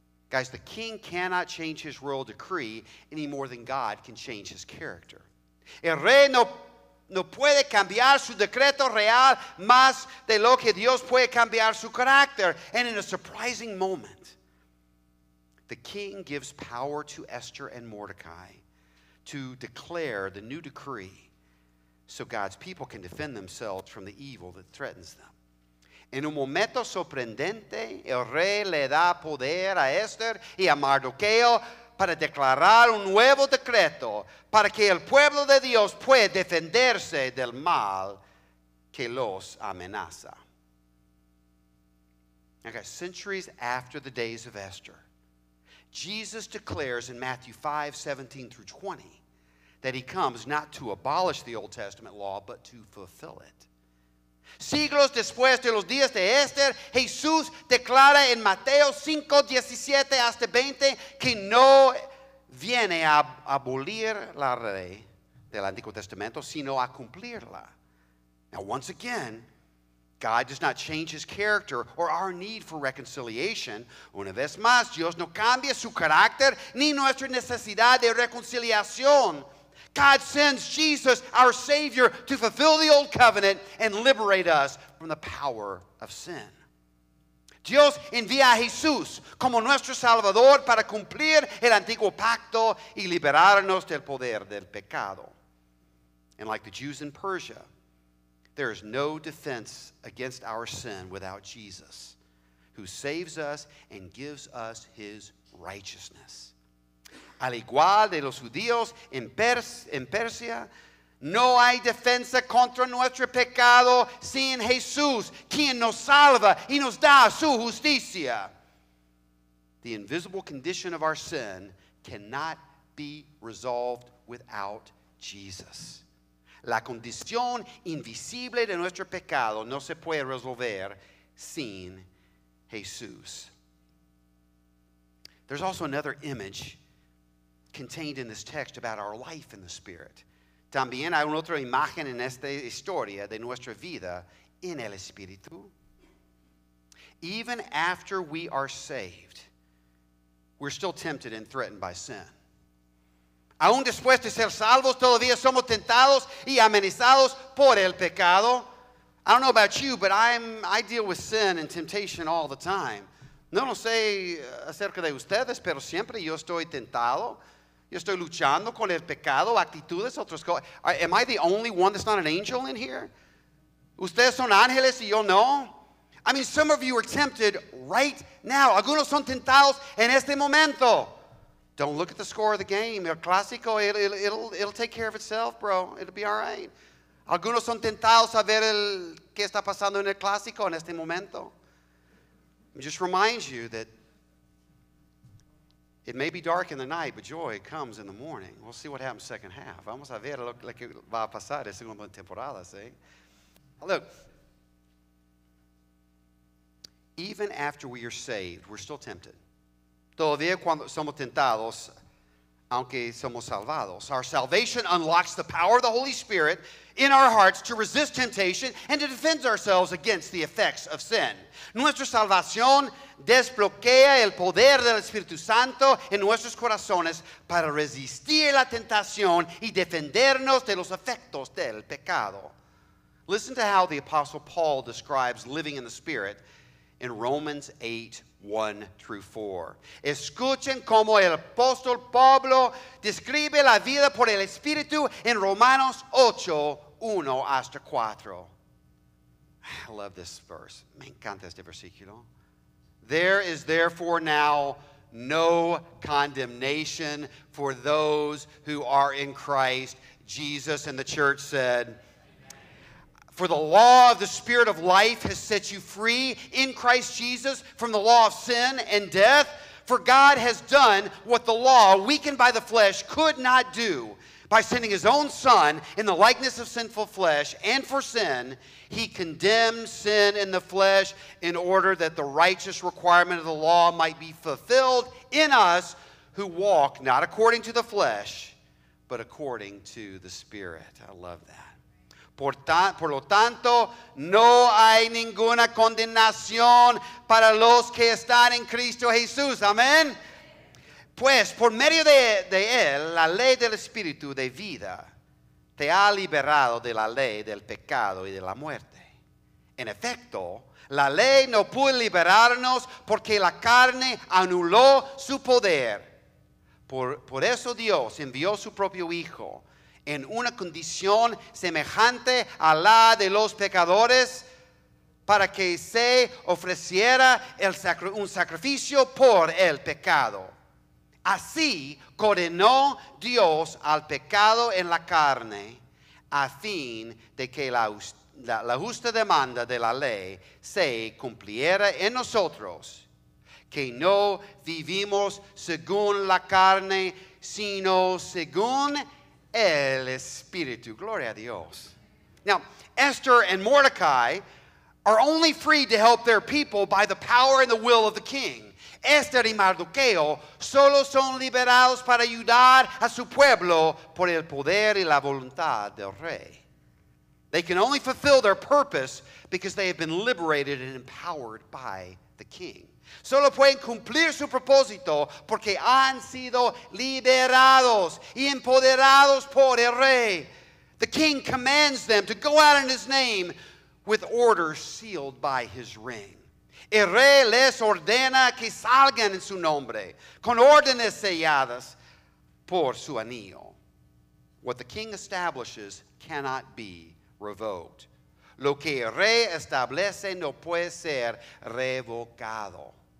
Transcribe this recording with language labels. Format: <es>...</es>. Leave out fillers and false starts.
<en>Guys, the king cannot change his royal decree any more than God can change his character.</en> <es>El rey no puede cambiar su decreto real más de lo que Dios puede cambiar su carácter.</es> <en>And in a surprising moment, the king gives power to Esther and Mordecai to declare the new decree so God's people can defend themselves from the evil that threatens them.</en> <es>En un momento sorprendente, el rey le da poder a Esther y a Mardoqueo para declarar un nuevo decreto para que el pueblo de Dios pueda defenderse del mal que los amenaza.</es> <en>Okay, centuries after the days of Esther, Jesus declares in Matthew 5:17 through 20 that he comes not to abolish the Old Testament law, but to fulfill it.</en> <es>Siglos después de los días de Esther, Jesús declara en Mateo 5:17 hasta 20 que no viene a abolir la ley del Antiguo Testamento, sino a cumplirla.</es> <en>Now, once again, God does not change his character or our need for reconciliation.</en> <es>Una vez más, Dios no cambia su carácter ni nuestra necesidad de reconciliación.</es> <en>God sends Jesus, our Savior, to fulfill the old covenant and liberate us from the power of sin.</en> <es>Dios envía a Jesús como nuestro Salvador para cumplir el antiguo pacto y liberarnos del poder del pecado.</es> <en>And like the Jews in Persia, there is no defense against our sin without Jesus, who saves us and gives us his righteousness.</en> <es>Al igual de los judíos en Persia, no hay defensa contra nuestro pecado sin Jesús, quien nos salva y nos da su justicia.</es> <en>The invisible condition of our sin cannot be resolved without Jesus.</en> <es>La condición invisible de nuestro pecado no se puede resolver sin Jesús.</es> <en>There's also another image contained in this text about our life in the Spirit.</en> <es>También hay una otra imagen en esta historia de nuestra vida en el Espíritu.</es> <en>Even after we are saved, we're still tempted and threatened by sin.</en> <es>Aún después de ser salvos, todavía somos tentados y amenazados por el pecado.</es> <en>I don't know about you, but I deal with sin and temptation all the time.</en> <es>No sé acerca de ustedes, pero siempre yo estoy tentado. Yo estoy luchando con el pecado, actitudes, otras cosas.</es> <en>Am I the only one that's not an angel in here?</en> <es>¿Ustedes son ángeles y yo no?</es> <en>I mean, some of you are tempted right now.</en> <es>Algunos son tentados en este momento.</es> <en>Don't look at the score of the game. El clásico, it'll take care of itself, bro. It'll be all right.</en> <es>Algunos son tentados a ver qué está pasando en el clásico en este momento.</es> <en>It just reminds you that it may be dark in the night, but joy comes in the morning. We'll see what happens second half.</en> <es>Vamos a ver lo que va a pasar en segunda temporada, ¿sí?</es> <en>Look, Even after we are saved, we're still tempted.</en> <es>Todavía cuando somos tentados, aunque somos salvados.</es> <en>Our salvation unlocks the power of the Holy Spirit in our hearts to resist temptation and to defend ourselves against the effects of sin.</en> <es>Nuestra salvación desbloquea el poder del Espíritu Santo en nuestros corazones para resistir la tentación y defendernos de los efectos del pecado.</es> <en>Listen to how the Apostle Paul describes living in the Spirit in Romans 8, 1 through 4.</en> <es>Escuchen cómo el apóstol Pablo describe la vida por el Espíritu en Romanos 8, 1 hasta 4.</es> <en>I love this verse.</en> <es>Me encanta este versículo.</es> <en>There is therefore now no condemnation for those who are in Christ. Jesus and the church said, for the law of the Spirit of life has set you free in Christ Jesus from the law of sin and death. For God has done what the law, weakened by the flesh, could not do. By sending his own Son in the likeness of sinful flesh and for sin, he condemned sin in the flesh in order that the righteous requirement of the law might be fulfilled in us who walk not according to the flesh, but according to the Spirit. I love that.</en> <es>Por lo tanto, no hay ninguna condenación para los que están en Cristo Jesús. Amén. Pues, por medio de él, la ley del Espíritu de vida te ha liberado de la ley del pecado y de la muerte. En efecto, la ley no pudo liberarnos porque la carne anuló su poder. Por eso Dios envió su propio Hijo en una condición semejante a la de los pecadores, para que se ofreciera un sacrificio por el pecado. Así condenó Dios al pecado en la carne, a fin de que la justa demanda de la ley se cumpliera en nosotros, que no vivimos según la carne, sino según el Espíritu. Gloria a Dios.</es> <en>Now, Esther and Mordecai are only freed to help their people by the power and the will of the king.</en> <es>Esther y Mardoqueo solo son liberados para ayudar a su pueblo por el poder y la voluntad del rey.</es> <en>They can only fulfill their purpose because they have been liberated and empowered by the king.</en> <es>Solo pueden cumplir su propósito porque han sido liberados y empoderados por el rey.</es> <en>The king commands them to go out in his name with orders sealed by his ring.</en> <es>El rey les ordena que salgan en su nombre con órdenes selladas por su anillo.</es> <en>What the king establishes cannot be revoked.</en> <es>Lo que el rey establece no puede ser revocado.</es>